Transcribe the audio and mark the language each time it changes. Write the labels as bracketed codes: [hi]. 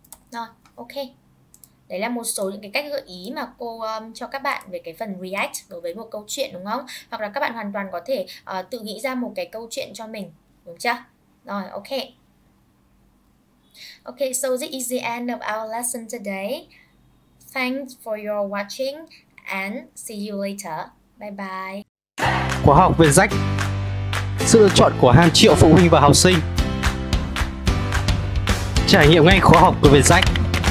[vi] Rồi, ok. Đấy là một số những cái cách gợi ý mà cô cho các bạn về cái phần react đối với một câu chuyện, đúng không? Hoặc là các bạn hoàn toàn có thể tự nghĩ ra một cái câu chuyện cho mình, đúng chưa? Rồi, ok. [en] Ok, so this is the end of our lesson today. Thanks for your watching and see you later. Bye bye. [vi] Khóa học Việt Rách, sự lựa chọn của hàng triệu phụ huynh và học sinh. Trải nghiệm ngay khóa học của Việt Rách.